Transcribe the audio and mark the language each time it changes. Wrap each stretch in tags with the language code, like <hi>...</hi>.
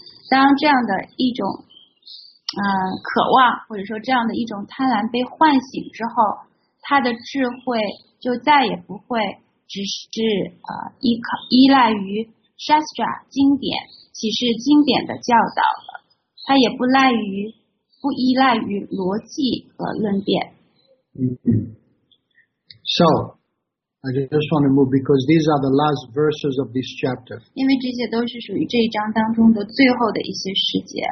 <zh>当这样的一种渴望，或者说这样的一种贪婪被唤醒之后，他的智慧就再也不会只是依赖于 Shastra 经典启示经典的教导了，他也不依赖于逻辑和论辩。</zh> <en>So I just want to move because these are the last verses of this chapter.</en> <zh>因为这些都是属于这一章当中的最后的一些细节。</zh>